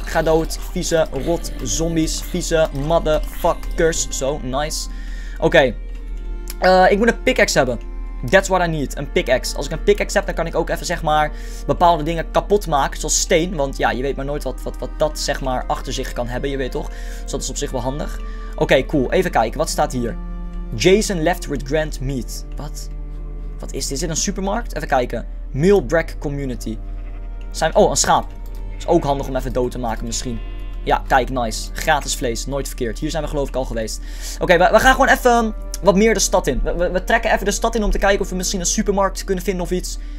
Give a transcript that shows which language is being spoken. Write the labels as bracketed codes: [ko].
[nl] Ga dood. Vieze, rot, zombies. Vieze, motherfuckers. Zo, nice. Oké. Ik moet een pickaxe hebben. [en] That's what I need. [nl] Een pickaxe. Als ik een pickaxe heb, dan kan ik ook even, zeg maar, bepaalde dingen kapot maken. Zoals steen. Want ja, je weet maar nooit wat dat, zeg maar, achter zich kan hebben. Je weet toch? Dus dat is op zich wel handig. Oké, cool. Even kijken. Wat staat hier? [en] Jason left with Grant Meat. [nl] Wat? Wat is dit? Is dit een supermarkt? Even kijken. Mealbrack Community. Oh, een schaap. Is ook handig om even dood te maken misschien. Ja, kijk. Nice. Gratis vlees. Nooit verkeerd. Hier zijn we geloof ik al geweest. Oké, we gaan gewoon even wat meer de stad in. We trekken even de stad in om te kijken of we misschien een supermarkt kunnen vinden of iets.